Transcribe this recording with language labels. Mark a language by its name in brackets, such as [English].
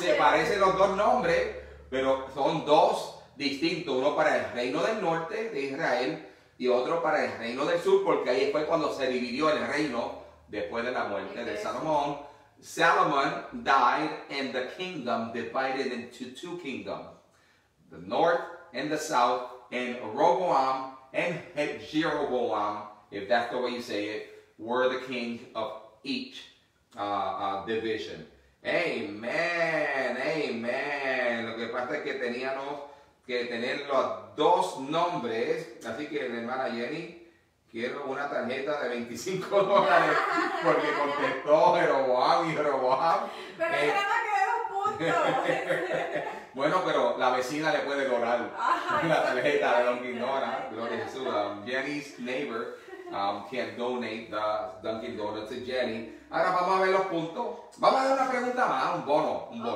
[Spanish] Se parecen los dos nombres, pero son dos distintos. Uno para el reino del norte de Israel y otro para el reino del sur, porque ahí fue cuando se dividió el reino después de la muerte de Salomón. [English] Salomón died and the kingdom divided into two kingdoms, the north and the south, and Roboam and Jeroboam, if that's the way you say it, were the kings of each division. Amen, amen. [Spanish] Lo que pasa es que teníamos que tener los dos nombres. Así que, hermana Jenny, quiero una tarjeta de $25 porque contestó Jeroboam y Jeroboam. Pero era más que 2 puntos. Bueno, pero la vecina le puede lograr. Ajá, la tarjeta de Dunkin' Donuts. Gloria a Jesús. [English] Jenny's neighbor can donate the Dunkin' Donuts to Jenny. [Spanish] Ahora vamos a ver los puntos. Vamos a dar una pregunta más, un bono.